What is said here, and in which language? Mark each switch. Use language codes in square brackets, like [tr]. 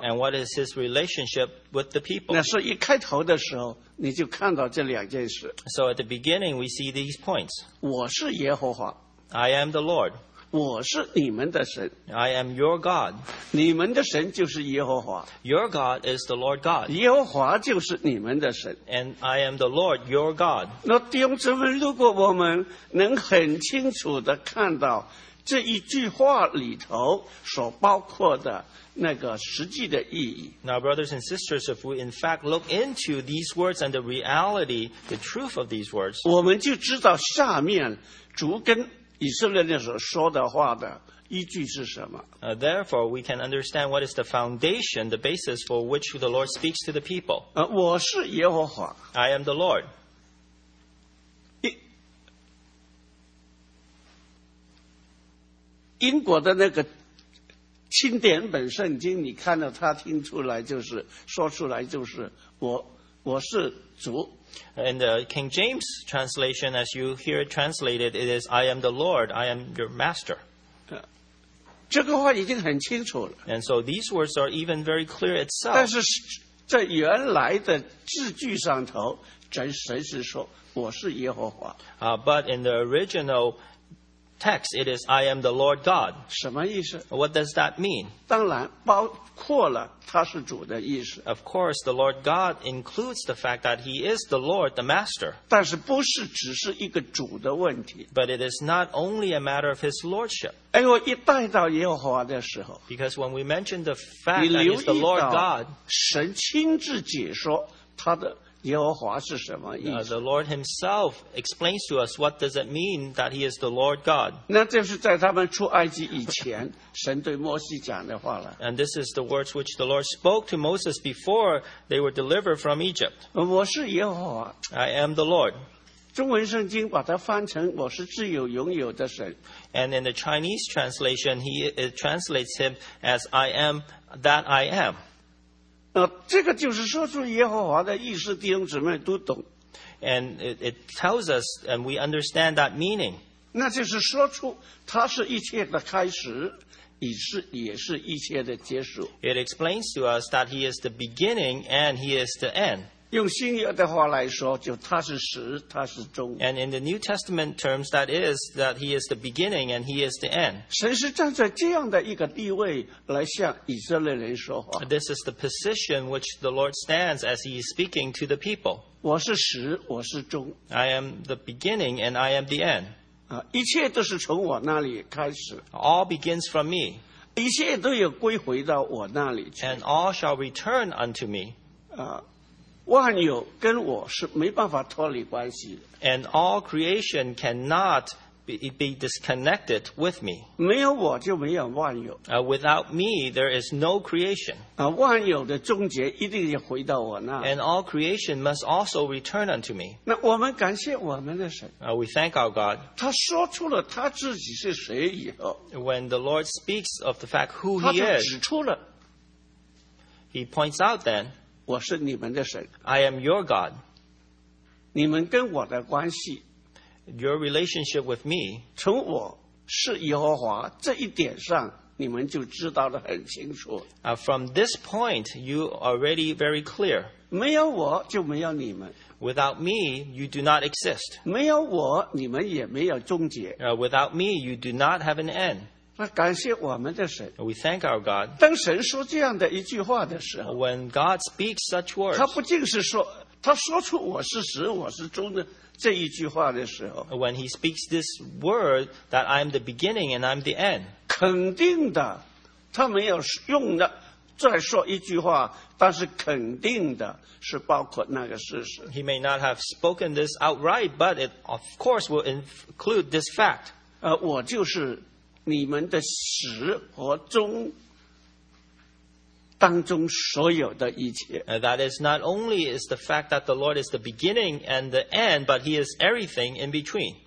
[en] And what is his relationship with the people? [zh] 那是一开头的时候，你就看到这两件事。 [en] So at the beginning, we see these points. [zh] 我是耶和华。 [en] I am the Lord. [zh] 我是你们的神。 [en] I am your God. [zh] 你们的神就是耶和华。 [en] Your God is the Lord God. [zh] 耶和华就是你们的神。 [en] And I am the Lord, your God. [zh] 那弟兄姊妹，如果我们能很清楚地看到这一句话里头所包括的那个实际的意义。 [en] Now, brothers and sisters, if we in fact look into these words and the reality, the truth of these words, [zh] 我们就知道下面主跟以色列人所说的话的依据是什么。 [en] Therefore, we can understand what is the foundation, the basis for which the Lord speaks to the people. [zh] 我是耶和华。 [en] I am the Lord. [zh] 英国的那个经典本圣经，你看到他听出来就是说出来就是我是主。 [en] In the King James translation, as you hear it translated, it is I am the Lord, I am your master. [zh] 这个话已经很清楚了。 [en] And so these words are even very clear itself. [zh] 但是在原来的字句上头，神是说我是耶和华。 [en] But in the original. Text, it is, I am the Lord God. [zh] 什么意思? [en] What does that mean? [zh] 当然包括了他是主的意思。 [en] Of course, the Lord God includes the fact that he is the Lord, the Master. [zh] 但是不是只是一个主的问题。 [en] But it is not only a matter of his lordship. [zh] 哎呦，一带到耶和华的时候。 [en] Because when we mention the fact that he is the Lord God, [zh] 神亲自解说他的耶和华是什么意思? [en] The Lord himself explains to us what does it mean that he is the Lord God. [zh] 那这是在他们出埃及以前神对摩西讲的话了。 [en] And this is the words which the Lord spoke to Moses before they were delivered from Egypt. [zh] 我是耶和华。 [en] I am the Lord. [zh] 中文圣经把它翻成我是自由拥有的神。 [en] And in the Chinese translation, it translates him as I am that I am. [zh] 这个就是说出耶和华的意思，弟兄姊妹都懂。 [en] And it tells us, and we understand that meaning. [zh] 那就是说出他是一切的开始，也是一切的结束。 [en] It explains to us that he is the beginning and he is the end. [zh] 用新约的话来说，就他是始，他是终。 [en] And in the New Testament terms, that is that he is the beginning and he is the end. [zh] 神是站在这样的一个地位来向以色列人说话。 [en] This is the position which the Lord stands as he is speaking to the people. [zh] 我是始，我是终。 [en] I am the beginning and I am the end. [zh] 一切都是从我那里开始。 [en] All begins from me. [zh] 一切都要归回到我那里去。 [en] And all shall return unto me. [zh] 万有跟我是没办法脱离关系的。 [en] And all creation cannot be disconnected with me. [zh] 没有我就没有万有。 [en] Without me, there is no creation. [zh] 万有的终结一定要回到我那。 [en] And all creation must also return unto me. [zh] 那我们感谢我们的神。 [en] We thank our God. [zh] 他说出了他自己是谁以后。 [en] When the Lord speaks of the fact who he is. [zh] 他就指出了。 [en] He points out then. [zh] 我是你们的神。 [en] I am your God. [zh] 你们跟我的关系。 [en] Your relationship with me. [zh] 从我是耶和华这一点上，你们就知道得很清楚。 [en] From this point, you are already very clear. [zh] 没有我就没有你们。 [en] Without me, you do not exist. [zh] 没有我，你们也没有终结。 [en] Without me, you do not have an end. [zh] 那感谢我们的神。 [en] We thank our God. [zh] 当神说这样的一句话的时候 [en] ，When God speaks such words, [zh] 他不仅是说，他说出我是始，我是终的这一句话的时候 [en] ，When he speaks this word that I'm the beginning and I'm the end, [zh] 肯定的，他没有用的再说一句话，但是肯定的是包括那个事实。 [en] He may not have spoken this outright, but it of course will include this fact. [zh] 我就是。你们的始和终当中所有的一切。 [en] That is not only is the fact that the Lord is the beginning and the end, but he is everything in between.